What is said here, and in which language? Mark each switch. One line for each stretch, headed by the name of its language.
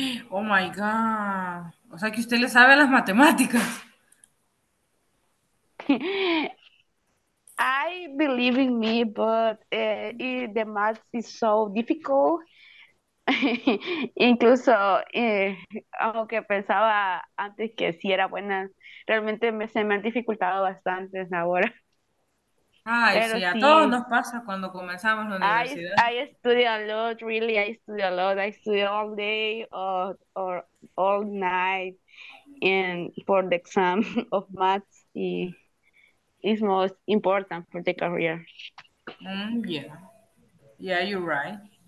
English: Oh my god.
Spanish: O sea que usted le sabe las matemáticas.
English: I believe in me, but the math is so difficult.
Spanish: Incluso aunque pensaba antes que sí era buena, realmente se me han dificultado bastante ahora. Ay, pero sí, a todos nos pasa cuando comenzamos la universidad.
English: I study a lot, really, I study a lot. I study all day or all night and for the exam of maths. It's most important for the career. Yeah, you're right.